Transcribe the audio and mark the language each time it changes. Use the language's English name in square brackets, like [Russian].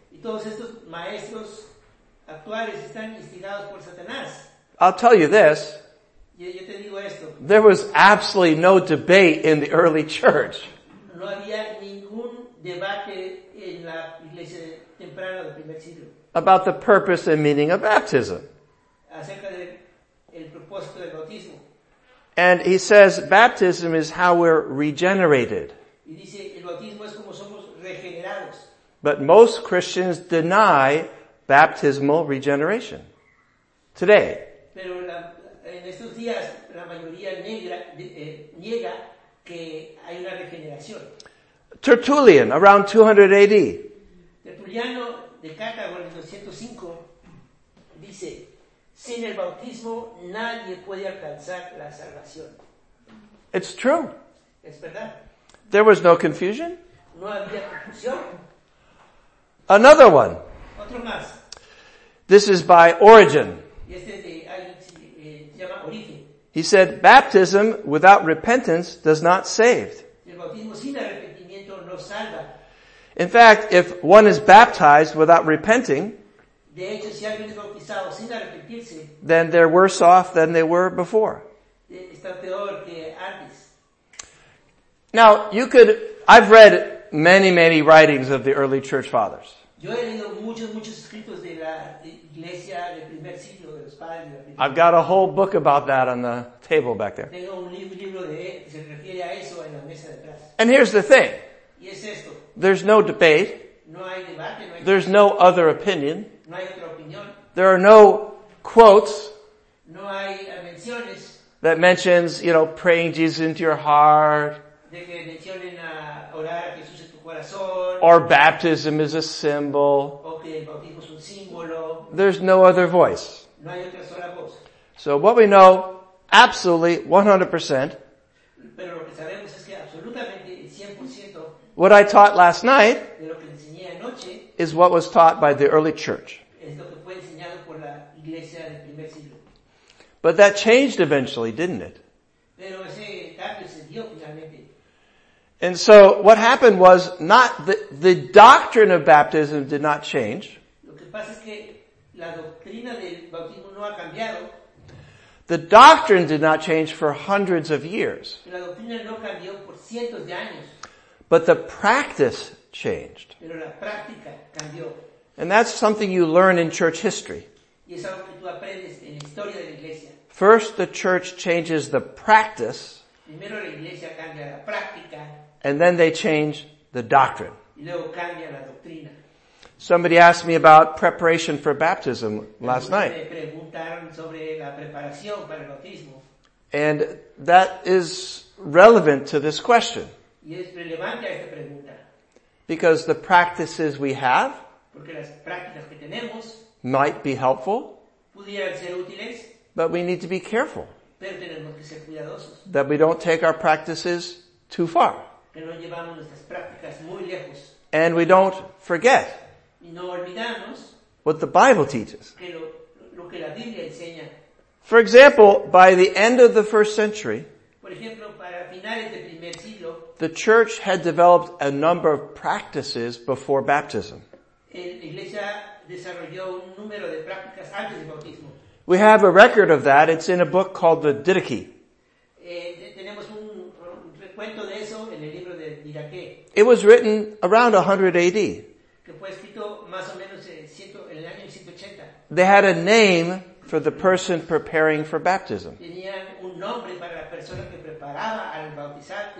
[Spanish] Todos estos maestros actuales están instigados por Satanás. [English] I'll tell you this. [Spanish] Yo te digo esto. [English] There was absolutely no debate in the early church. [Spanish] No había ningún debate en la iglesia temprana del primer siglo. [English] About the purpose and meaning of baptism. [Spanish] Acerca del propósito del bautismo. [English] And he says baptism is how we're regenerated. [Spanish] Y dice el bautismo es como somos regenerados. [English] But most Christians deny baptismal regeneration. Today. [Spanish] Pero en estos días la mayoría negra niega que hay una regeneración. [English] Tertullian, around 200 AD. [Spanish] Tertuliano de Cartago en 205 dice, sin el bautismo nadie puede alcanzar la salvación. [English] It's true. [Spanish] Es verdad. [English] There was no confusion. [Spanish] No había confusión. [English] Another one. [Spanish] Otro más. [English] This is by Origen. [Spanish] Este es se llama Origen. [English] He said, baptism without repentance does not save. [Spanish] El bautismo sin arrepentimiento no salva. [English] In fact, if one is baptized without repenting, [Spanish] de hecho, si alguien es bautizado sin arrepentirse, [English] then they're worse off than they were before. [Spanish] Está peor que antes. [English] Now, I've read many, many writings of the early church fathers. [Spanish] Yo he leído muchos escritos de la iglesia del primer siglo, de los padres de la iglesia. [English] I've got a whole book about that on the table back there. [Spanish] Tengo un libro de se refiere a eso en la mesa de atrás. [English] And here's the thing. [Spanish] Y es esto. [English] There's no debate. [Spanish] No hay debate, no hay. [English] There's no other opinion. [Spanish] No hay otra opinión. [English] There are no quotes. [Spanish] No hay menciones. [English] That mentions, you know, praying Jesus into your heart. [Spanish] De que mencionen a orar a Jesús en tu corazón, [English] or baptism is a symbol. [Spanish] O que el bautismo es un símbolo. [English] There's no other voice. [Spanish] No hay otra sola voz. [English] So what we know, absolutely, 100%. [Spanish] Pero lo que sabemos es que absolutamente, 100%. [English] What I taught last night [Spanish] de lo que enseñé anoche, [English] is what was taught by the early church. [Spanish] Es lo que fue enseñado por la iglesia del primer siglo. [English] But that changed eventually, didn't it? [Spanish] Pero ese cambio se dio finalmente. [English] And so what happened was not the doctrine of baptism did not change. [Spanish] Lo que pasa es que la doctrina del bautismo no ha cambiado. [English] The doctrine did not change for hundreds of years. [Spanish] La doctrina no cambió por cientos de años. [English] But the practice changed. [Spanish] Pero la práctica cambió. [English] And that's something you learn in church history. [Spanish] Y es algo que tú aprendes en la historia de la iglesia. [English] First the church changes the practice. [Spanish] Primero la iglesia cambia la práctica. [English] And then they change the doctrine. [Spanish] Y luego cambia la doctrina. [English] Somebody asked me about preparation for baptism last night. [Spanish] Me preguntaron sobre la preparación para el bautismo. [English] And that is relevant to this question. [Spanish] Y es relevante a esta pregunta. [English] Because the practices we have. [Spanish] Porque las prácticas que tenemos. [English] Might be helpful. [Spanish] Pudieran ser útiles. [English] But we need to be careful. [Spanish] Pero tenemos que ser cuidadosos. [English] That we don't take our practices too far. [Spanish] Que no llevamos nuestras prácticas muy lejos. [English] And we don't forget. [Spanish] Y no olvidamos. [English] What the Bible teaches. [Spanish] Que lo que la Biblia enseña. [English] For example, by the end of the first century. [Spanish] Por ejemplo, para finales del primer siglo. [English] The church had developed a number of practices before baptism. [Spanish] La iglesia desarrolló un número de prácticas antes del bautismo. [English] We have a record of that. It's in a book called the Didache. [Spanish] Tenemos cuento de eso en el libro de Miraque. [English] It was written around 100 AD. [Spanish] Que fue escrito más o menos en el año 180. [English] They had a name for the person preparing for baptism. [Spanish] Tenían un nombre para la persona que preparaba al bautizar.